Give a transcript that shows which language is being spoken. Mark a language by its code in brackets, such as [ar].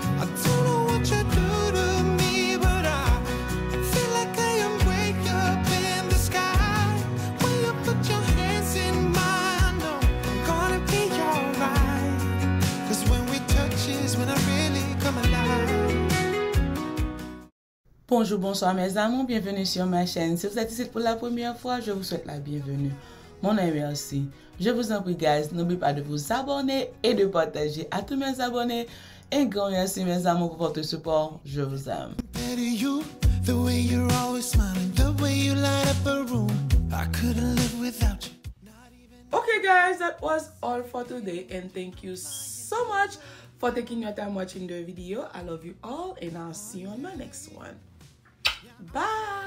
[en] I don't know what you do to me, but I feel like I am way up in the sky. When you put your hands in mine, I know we're gonna be alright. 'Cause when we touch is when I really come alive. [fr] Bonjour, bonsoir mes amours, bienvenue sur ma chaîne. Si vous êtes ici pour la première fois, je vous souhaite la bienvenue. Mon nom est Merci. Je vous en prie guys, n'oubliez pas de vous abonner et de partager à tous mes abonnés. Un grand merci mes amours pour votre support. Je vous aime. [en] Better you, the way you're always smiling, the way you light up a room. I couldn't live without you. Okay guys, that was all for today and thank you so much for taking your time watching the video. I love you all and I'll see you on my next one. Bye.